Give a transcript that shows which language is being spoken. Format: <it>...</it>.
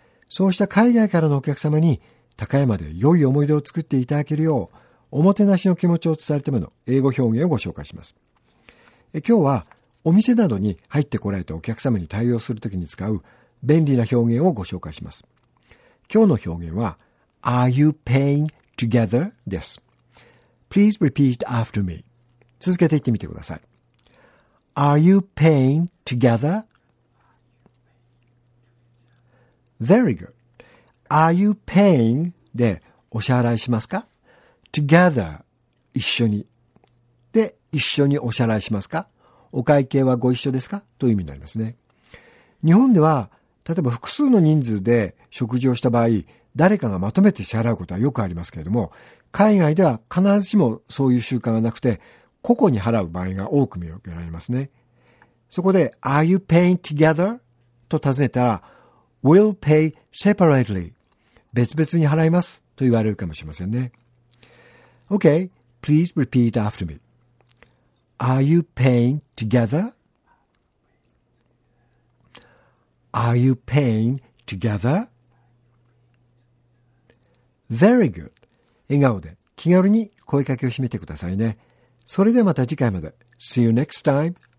<ja>そうした海外からのお客様に高山で良い思い出を作っていただけるよう、おもてなしの気持ちを伝えるための英語表現をご紹介します。今日はお店などに入ってこられたお客様に対応するときに使う便利な表現をご紹介します。今日の表現は、</ja> <en>Are you paying together? です。Please repeat after me.</en> <ja>続けて言ってみてください。</ja> <en>Are you paying together? Very good. Are you paying</en> <ja>でお支払いしますか?Together 一緒に。で、一緒にお支払いしますか?お会計はご一緒ですか?という意味になりますね。日本では、例えば複数の人数で食事をした場合、誰かがまとめて支払うことはよくありますけれども、海外では必ずしもそういう習慣がなくて、個々に払う場合が多く見受けられますね。そこで、</ja> <en>Are you paying together?</en> <ja>と尋ねたら、</ja> <en>We'll pay separately.</en> <ja>別々に払いますと言われるかもしれませんね。</ja> <en>Okay, please repeat after me. Are you paying together? Are you paying together? Very good.</en> <ja>笑顔で気軽に声かけをしてみてくださいね。それではまた次回まで。</ja> <en>See you next time.</en>